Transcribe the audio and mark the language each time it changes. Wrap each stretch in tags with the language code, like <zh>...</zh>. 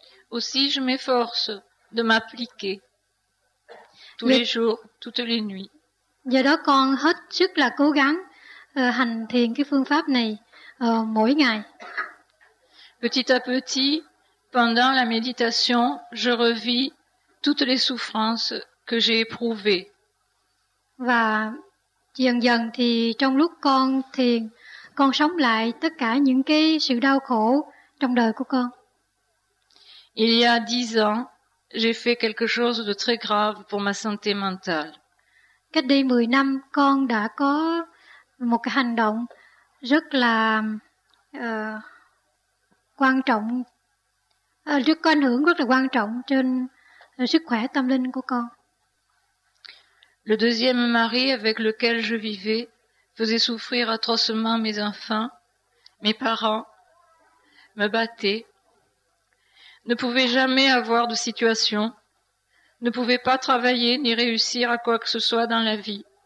<fr>Aussi, je m'efforce de m'appliquer. Tous les jours, toutes les nuits.</fr> <vi>Giờ đó con hết sức là cố gắng hành thiền cái phương pháp này mỗi ngày.</vi> <fr>Petit à petit, pendant la méditation, je revis toutes les souffrances que j'ai éprouvées.</fr> <vi>Và dần dần thì trong lúc con thiền, con sống lại tất cả những cái sự đau khổ trong đời của con.</vi> <fr>Il y a 10 ans, j'ai fait quelque chose de très grave pour ma santé mentale.</fr> <vi>Cách đây 10 năm, con đã có một cái hành động rất là quan trọng, rất có ảnh hưởng rất là quan trọng trên sức khỏe tâm linh của con.</vi> <fr>Le deuxième mari avec lequel je vivais faisait souffrir atrocement mes enfants, mes parents, me battaient. Ne pouvait jamais avoir de situation, ne pouvait pas travailler ni réussir à quoi que ce soit dans la vie.</fr>